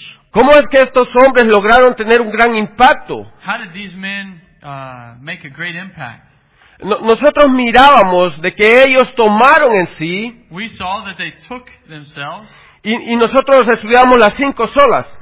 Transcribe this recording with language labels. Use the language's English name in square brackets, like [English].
[Spanish] ¿Cómo es que estos hombres lograron tener un gran impacto? [English] How did these men, make a great impact? [Spanish] Nosotros mirábamos de que ellos tomaron en sí. [English] We saw that they took themselves. [Spanish] Y nosotros estudiamos las cinco solas.